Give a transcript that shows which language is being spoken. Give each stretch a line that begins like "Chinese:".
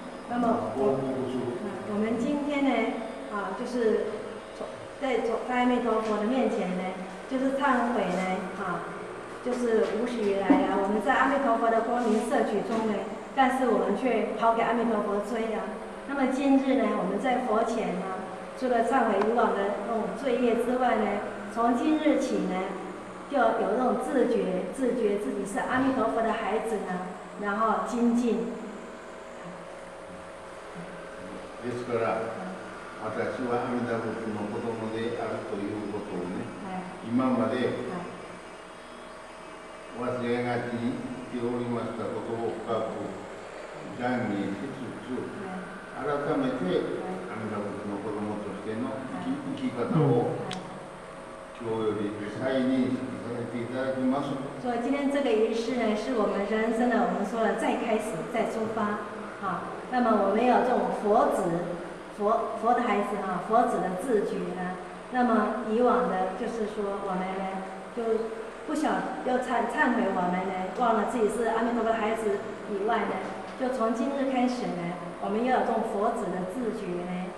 Chinese: 那么我们今天呢，啊，就是在阿弥陀佛的面前呢，就是忏悔呢，啊，就是无始以来啊，我们在阿弥陀佛的光明摄取中呢，但是我们却跑给阿弥陀佛追了。那么今日呢，我们在佛前呢，除了忏悔以往的那种罪业之外呢，从今日起呢，就有那种自觉自己是阿弥陀佛的孩子呢，然后精进。
Japanese: ですから、私は阿弥陀仏の子供であるということをね、はい、今まで忘れがちに言っておりましたことを深く懺悔しつつ、はい、改めて阿弥陀仏の子供としての生き方を今日より再認識させていただきます。
Chinese: 所以今天这个仪式呢，是我们人生的，我们说了再开始、再出发，好。那么我们有这种佛子 佛的孩子、啊、佛子的自觉呢，那么以往的就是说我们呢就不想要忏悔我们呢忘了自己是阿弥陀佛的孩子以外呢，就从今日开始呢，我们要有这种佛子的自觉呢，